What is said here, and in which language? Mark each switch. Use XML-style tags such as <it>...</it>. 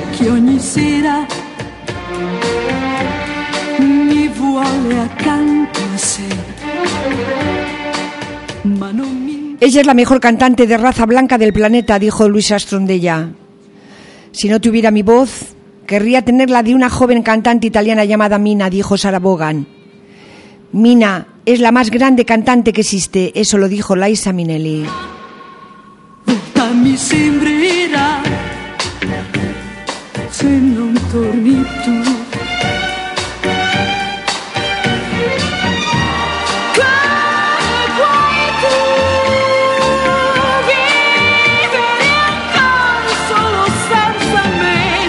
<it>Ogni sera mi vuole accanto a sé, ma non mi...</it> <es>Ella es la mejor cantante de raza blanca del planeta, dijo Louis Armstrong de ella. Si no tuviera mi voz, querría tener la de una joven cantante italiana llamada Mina, dijo Sarah Vaughan. Mina es la más grande cantante que existe, eso lo dijo Liza Minnelli.</es> <it>Vota mi sembra. Se non torni tu, come puoi tu vivere ancora solo senza me?</it>